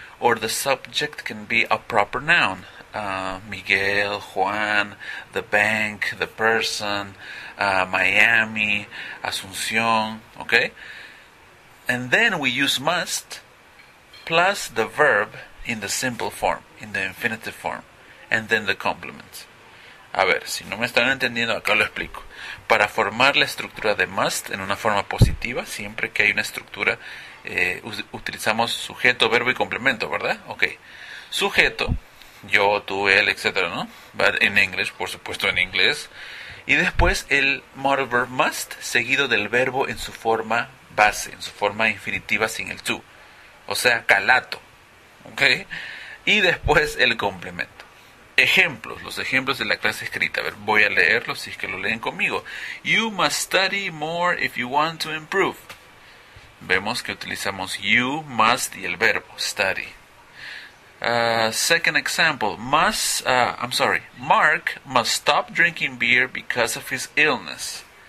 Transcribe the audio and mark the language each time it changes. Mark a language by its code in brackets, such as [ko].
[en] Or the subject can be a proper noun. Miguel, Juan, the bank, the person, Miami, Asunción, okay? And then we use must plus the verb in the simple form, in the infinitive form, and then the complement. [es] A ver, si no me están entendiendo, acá lo explico. Para formar la estructura de must en una forma positiva, siempre que hay una estructura, utilizamos sujeto, verbo y complemento, ¿verdad? Ok. Sujeto, yo, tú, él, etcétera, ¿no? [en] But in English, [es] por supuesto, en inglés. Y después el modal verb must, seguido del verbo en su forma base, en su forma infinitiva sin el to. O sea, calato. Ok. Y después el complemento. Ejemplos, los ejemplos de la clase escrita. A ver, voy a leerlos si es que lo leen conmigo. [en] You must study more if you want to improve. [es] Vemos que utilizamos you, must y el verbo, study. [en] Second example. Mark must stop drinking beer because of his illness.